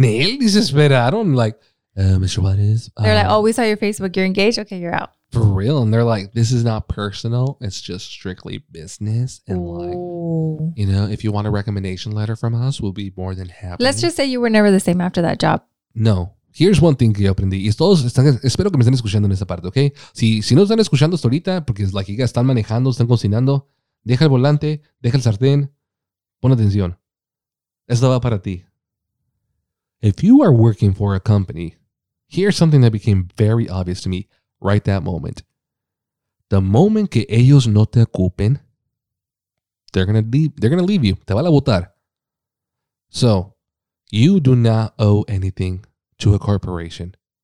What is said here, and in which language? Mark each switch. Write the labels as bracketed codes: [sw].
[en] Nail desesperaron. Like, Mr. What is? They're like, oh, we saw your Facebook. You're engaged. Okay, you're out. For real. And they're like, this is not personal. It's just strictly business. And like, you know, if you want a recommendation letter from us, we'll be more than happy. Let's just say you were never the same after that job. No. Here's one thing [es] que yo aprendí. Y todos están, espero que me estén escuchando en esa parte, ¿ok? Si no están escuchando hasta ahorita, porque es like, están manejando, están cocinando, deja el volante, deja el sartén, pon atención. Esto va para ti. [en] If you are working for a company, here's something that became very obvious to me. Right that moment. The moment [es] que ellos no te ocupen, [en] they're gonna leave you. [es] Te van a botar. [en] So, you do not owe anything to a corporation.